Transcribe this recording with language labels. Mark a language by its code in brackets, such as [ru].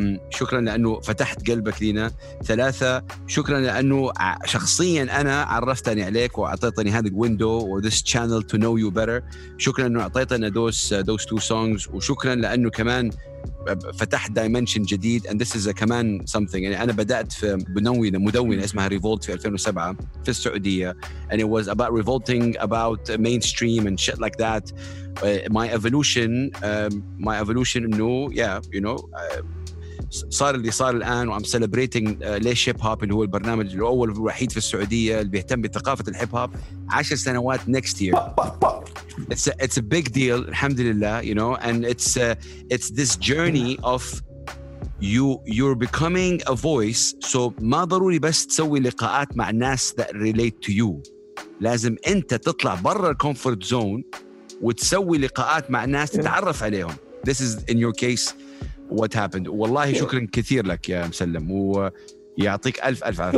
[ar] شكرا لأنه فتحت قلبك لنا ثلاثة شكرا لأنه شخصيا أنا عرفتني عليك وأعطيتني هذا الويندو [en] or this channel to know you better [ar] شكرا أنه أعطيتنا [en] those two songs [ar] وشكرا لأنه كمان فتحت دايمنشن جديد [en] and this is a [ar] كمان something يعني أنا بدأت في مدونة اسمها Revolt في 2007 في السعودية [en] and it was about revolting about mainstream and shit like that my evolution [ar] إنه [en] yeah you know [ar] صار اللي صار الآن وعم سيلبريتينج ليش هيب هوب اللي هو البرنامج الأول والوحيد في السعودية اللي بيهتم بثقافة الهيب هوب 10 سنوات [en] next year. It's a big deal [ar] الحمد لله, [en] you know, and it's this journey of you're becoming a voice. [ar] So ما ضروري بس تسوي لقاءات مع ناس [en] that relate to you, [ar] لازم أنت تطلع برا الكومفورت زون وتسوي لقاءات مع ناس تتعرف عليهم. [en] This is in your case what happened. [ar] والله شكرا كثير لك يا مسلم ويعطيك ألف ألف عافية.